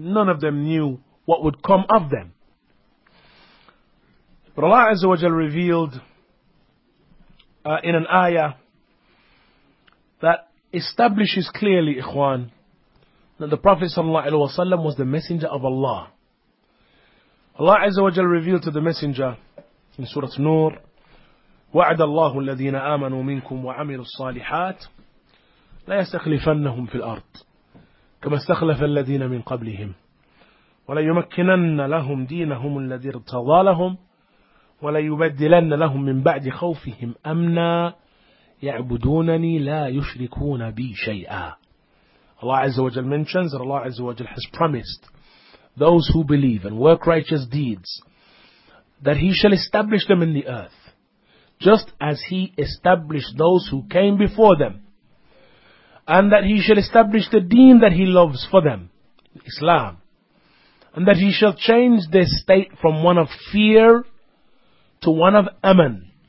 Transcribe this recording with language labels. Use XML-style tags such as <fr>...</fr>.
<en>None of them knew what would come of them. But Allah Azza wa Jalla revealed in an ayah that establishes clearly, ikhwan, that the Prophet sallallahu alaihi wasallam was the messenger of Allah. Allah Azza wa Jalla revealed to the messenger in Surah Nur,</en> <ar>وَعَدَ اللَّهُ الَّذِينَ آمَنُوا مِنْكُمْ وَعَمِلُوا الصَّالِحَاتِ لَيَسْتَخْلِفَنَّهُمْ فِي الْأَرْضِ كَمَا اسْتَخْلَفَ الَّذِينَ مِنْ قَبْلِهِمْ وَلَيُمَكِّنَنَّ لَهُمْ دِينَهُمُ الَّذِي ارْتَضَى لَهُمْ وَلَيُبَدِّلَنَّ لَهُمْ مِنْ بَعْدِ خَوْفِهِمْ أَمْنًا يَعْبُدُونَنِي لَا يُشْرِكُونَ بِي شَيْئًا.</ar> <en>Allah Azza wa Jalla mentions that Allah Azza wa Jalla has promised those who believe and work righteous deeds that He shall establish them in the earth, just as He established those who came before them, and that He shall establish the deen that He loves for them, Islam, and that He shall change their state from one of fear to one of aman.</en>